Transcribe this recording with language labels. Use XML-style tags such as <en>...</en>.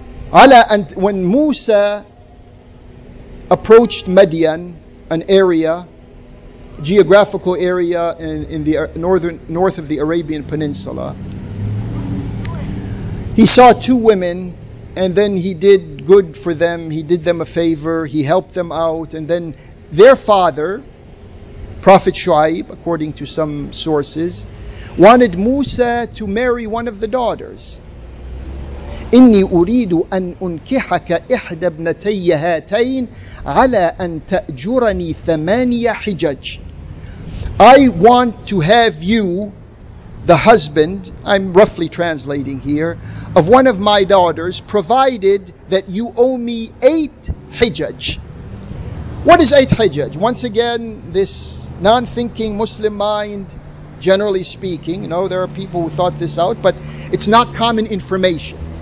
<en>Allah, and when Musa approached Madian, an area, geographical area in the north of the Arabian Peninsula, he saw two women, and then he did good for them. He did them a favor. He helped them out. And then their father, Prophet Shu'aib, according to some sources, wanted Musa to marry one of the daughters.</en> <ar>إني أريد أن أنكحك إحدى ابنتي هاتين على أن تأجرني ثمانية حجج.</ar> <en>I want to have you, the husband, I'm roughly translating here, of one of my daughters, provided that you owe me 8 hijaj. What is 8 hijaj? Once again, this non-thinking Muslim mind, generally speaking, you know, there are people who thought this out, but it's not common information.</en>